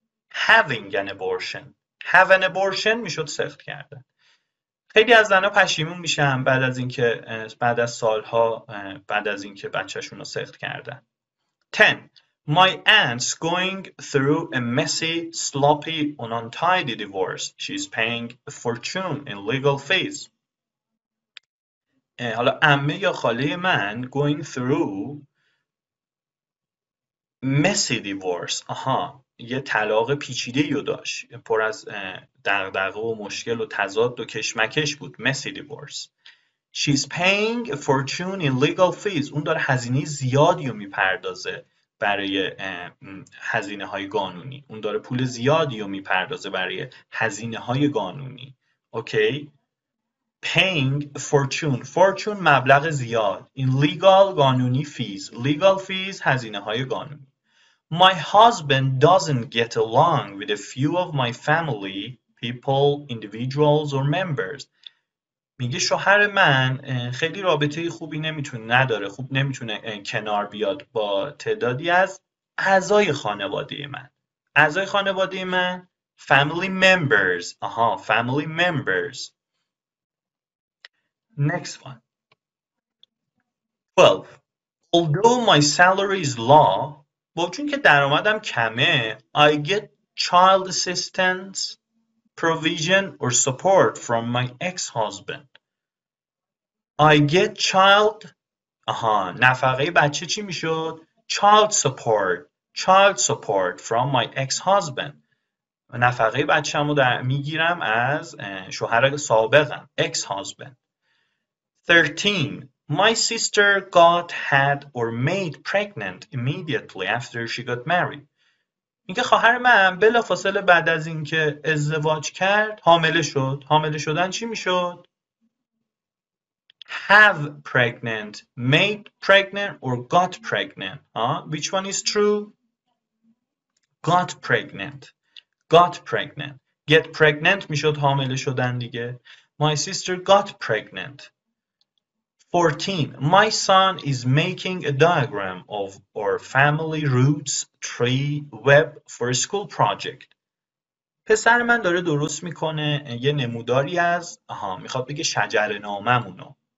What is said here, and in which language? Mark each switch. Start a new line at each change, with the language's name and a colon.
English: Having an abortion. Have an abortion
Persian: میشد سقط کردن. خیلی از زنها پشیمون میشن بعد از اینکه بعد از سالها بعد از اینکه بچهشون رو سقط کردن.
English: 10. My aunt's going through a messy, sloppy, and untidy divorce. She's paying a fortune in legal fees.
Persian: حالا عمه یا خاله من
English: going through messy divorce.
Persian: یه طلاق پیچیده یو داشت. پر از دغدغه و مشکل و تضاد و کشمکش بود.
English: Messy divorce. She's paying a fortune in legal fees.
Persian: اون داره هزینه زیادی رو میپردازه برای هزینه های قانونی. اون داره پول زیادی رو میپردازه برای هزینه های قانونی.
English: Okay? Paying a fortune.
Persian: Fortune مبلغ زیاد.
English: In legal قانونی fees. Legal fees
Persian: هزینه های قانونی.
English: My husband doesn't get along with a few of my family, people, individuals, or members.
Persian: میگه شوهر من خیلی رابطه خوبی نمیتونه نداره خوب نمیتونه کنار بیاد با تعدادی از اعضای خانواده من. اعضای خانواده من
English: family members. Family members. Next one. 12. Although my salary is low,
Persian: با چون که درآمدم کمه
English: I get child assistance, provision or support from my ex-husband. I get child
Persian: نفقه بچه چی میشد؟
English: Child support from my ex-husband.
Persian: نفقه بچه‌م رو میگیرم از شوهر سابقم ex-husband.
English: 13. My sister got had or made pregnant immediately after she got married.
Persian: میگه خواهر من بلافاصله بعد از اینکه ازدواج کرد حامله شد. حامله شدن چی میشد؟
English: Have pregnant, made pregnant or got pregnant. Which one is true? Got pregnant. Got pregnant. Get pregnant
Persian: میشد حامله شدن دیگه.
English: My sister got pregnant. 14. My son is making a diagram of our family roots tree web for a school project.
Persian: پسر من داره درست میکنه یه نموداری از میخواد بگه شجره ناممونو.